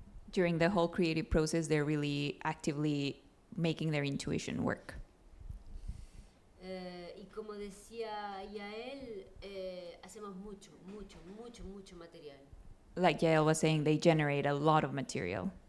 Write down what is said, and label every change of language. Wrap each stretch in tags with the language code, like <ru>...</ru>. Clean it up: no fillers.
<en>During the whole creative process, they're really actively making their intuition work.</en> <es>Y como decía Yael, hacemos mucho, mucho, mucho, mucho material.</es> <en>Like Yael was saying, they generate a lot of material.</en>